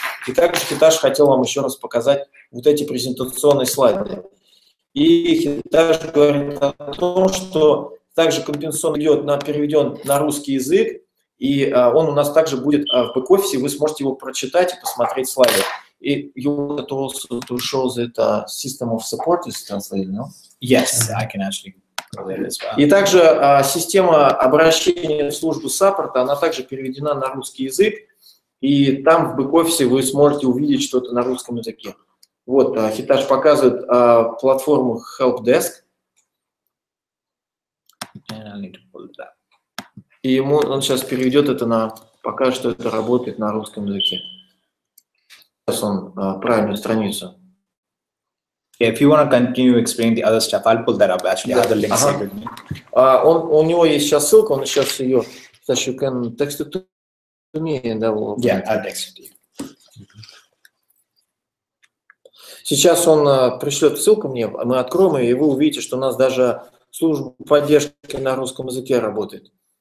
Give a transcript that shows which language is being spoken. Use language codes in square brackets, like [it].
[ru] И также Хиташ хотел вам еще раз показать вот эти презентационные слайды. И Хиташ говорит о том, что также компенсацион идет на переведен на русский язык, и он у нас также будет в бэк-офисе, вы сможете его прочитать и посмотреть слайды. И [en] you want also to show that system of support is translated, no? Yes, I can actually translate it as well. [ru] И также система обращения в службу саппорта, она также переведена на русский язык, и там в бэк-офисе вы сможете увидеть что-то на русском языке. Вот, Хиташ показывает платформу Helpdesk. [en] And I need to pull it up. [ru] И ему он сейчас переведет это на, пока что это работает на русском языке. Сейчас он правильную страницу. [en] Yeah, if you want to continue explaining the other stuff, I'll pull that up. Actually, yeah. Other links. Ага. [ru] Он, у него есть сейчас ссылка, он сейчас ее... [en] Хиташ, you can text it to me. And I will... Yeah, I'll text it to you. [ru] Сейчас он пришлет ссылку мне, мы откроем ее, и вы увидите, что у нас даже служба поддержки на русском языке работает.